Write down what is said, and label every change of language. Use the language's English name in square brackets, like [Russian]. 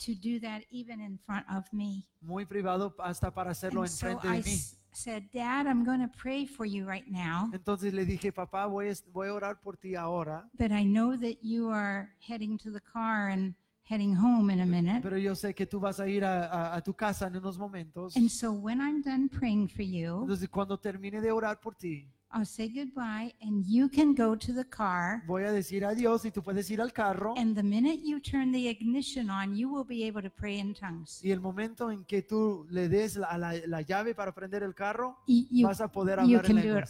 [English] To do that even in front of me. [Spanish] Muy privado hasta para hacerlo [English] and [Spanish] en frente de mí. [English] Said, Dad, I'm going to pray for you right now. [Spanish] Entonces le dije, papá, voy a orar por ti ahora. [English] But I know that you are heading to the car and heading home in a minute. [Spanish] Pero yo sé que tú vas a ir a tu casa en unos momentos. [English] And so when I'm done praying for you, [Spanish] entonces cuando termine de orar por ti, [English] I'll say goodbye and you can go to the car. [Spanish] Voy a decir adiós y tú puedes ir al carro. [English] And the minute you turn the ignition on, you will be able to pray in tongues. [Spanish] Y el momento en que tú le des la llave para prender el carro, vas a poder hablar en lenguas.